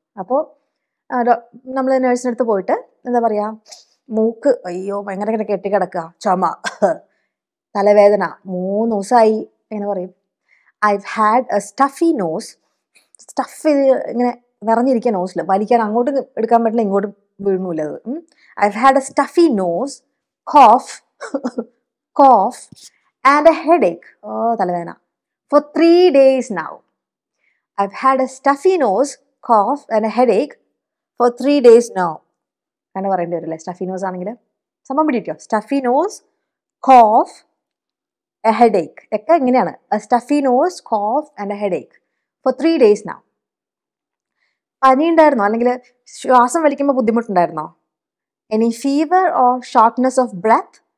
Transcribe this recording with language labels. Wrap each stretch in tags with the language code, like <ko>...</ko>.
<ml>അപ്പോൾ നമ്മൾ നേഴ്സിൻ്റെ അടുത്ത് പോയിട്ട് എന്താ പറയുക, മൂക്ക് അയ്യോ ഭയങ്കര ഇങ്ങനെ കെട്ടി കിടക്കുക, ചുമ, തലവേദന, മൂന്ന് ദിവസമായി എന്ന് പറയും.</ml> <en>I've had a stuffy nose.</en> <ml>Stuff ഇങ്ങനെ നിറഞ്ഞിരിക്കുക നോസിൽ, വലിക്കാൻ അങ്ങോട്ട് എടുക്കാൻ പറ്റില്ല, ഇങ്ങോട്ട് വീഴുന്നില്ല അത്.</ml> <en>I've had a stuffy nose, cough and a headache.</en> <ml>ഓ തലവേദന.</ml> <en>For 3 days now. I've had a stuffy nose, cough and a headache for 3 days now.</en> <ml>അങ്ങനെ പറയേണ്ടി വരും അല്ലേ, സ്റ്റഫി നോസ് ആണെങ്കിൽ സംഭവം പിടിക്കോ.</ml> <en>stuffy nose, cough a headache</en> <ml>ഒക്കെ എങ്ങനെയാണ്,</ml> <en>A stuffy nose cough and a headache for 3 days now.</en> <ml>പനിയുണ്ടായിരുന്നോ അല്ലെങ്കിൽ ശ്വാസം വലിക്കുമ്പോൾ ബുദ്ധിമുട്ടുണ്ടായിരുന്നോ?</ml> <en>Any fever or shortness of breath?</en>